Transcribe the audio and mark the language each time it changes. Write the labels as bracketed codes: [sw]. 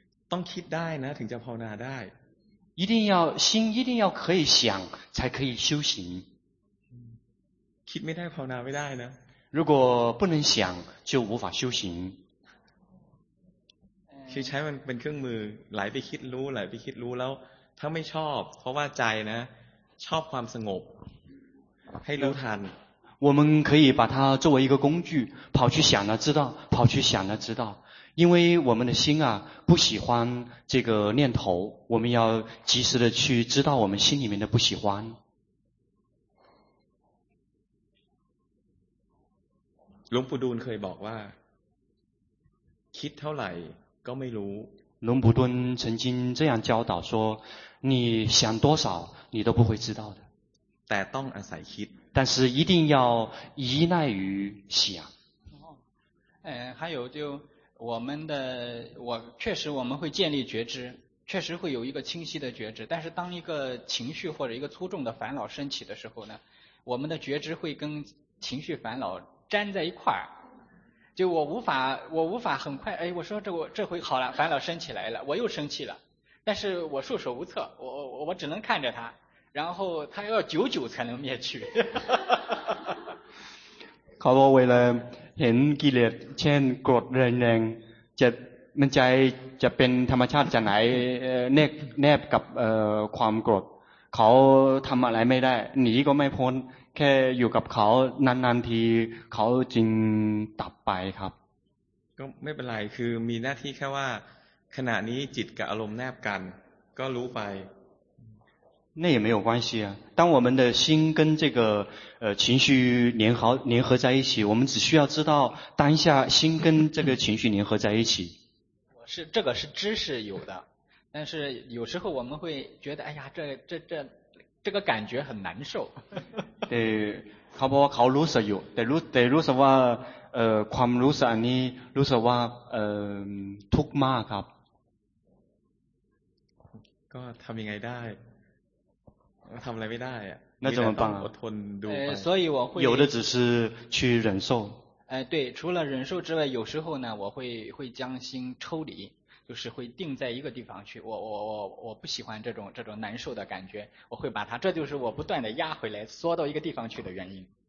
[th] ต้องคิดได้นะถึงจะภาวนาได้ [zh] 一定要心一定要可以想才可以修行 [th] คิดไม่ได้ภาวนาไม่ได้นะ [zh] 如果不能想就无法修行 [th] คือใช้มันเป็นเครื่องมือไหลไปคิดรู้ไหลไปคิดรู้แล้วถ้าไม่ชอบเพราะว่าใจนะชอบความสงบให้รู้ทัน [zh] 我们可以把它作为一个工具跑去想了知道跑去想了知道因为我们的心啊不喜欢这个念头我们要及时的去知道我们心里面的不喜欢龙普敦可以说 [th] คิดเท่าไหร่ก็ไม่รู้ [zh] 龙普敦曾经这样教导说你想多少你都不会知道的 [th] แต่ต้องอาศัยคิด [zh] 但是一定要依赖于想还有就我确实我们会建立觉知确实会有一个清晰的觉知但是当一个情绪或者一个粗重的烦恼升起的时候呢我们的觉知会跟情绪烦恼粘在一块儿就我无法很快哎我说这回好了烦恼升起来了我又生气了但是我束手无策我只能看着它然后它要久久才能灭去 [th] เขาบอกเวลาเห็นกิเลสเช่นโกรธแรงๆจะมันใจจะเป็นธรรมชาติจากไหนแนบกับความโกรธเขาทำอะไรไม่ได้หนีก็ไม่พ้นแค่อยู่กับเขานานๆทีเขาจึงดับไปครับ ก็ไม่เป็นไรคือมีหน้าที่แค่ว่าขณะนี้จิตกับอารมณ์แนบกันก็รู้ไป [zh] 那也没有关系啊当我们的心跟这个情绪联合在一起我们只需要知道当下心跟这个情绪联合在一起是这个是知识有的但是有时候我们会觉得哎呀这个感觉很难受 [th] 对เขาบอกว่าเขารู้สึกอยู่แต่รู้สึกว่าความรู้สึกอันนี้รู้สึกว่าทุกข์มากครับ ก็ทำยังไงได้ทำอะไรไม่ได้อะ [zh] 那怎么办啊？我吞毒。所以我会有的只是去忍受。对，除了忍受之外，有时候呢，我会将心抽离，就是会定在一个地方去。我不喜欢这种难受的感觉，我会把它，这就是我不断的压回来，缩到一个地方去的原因。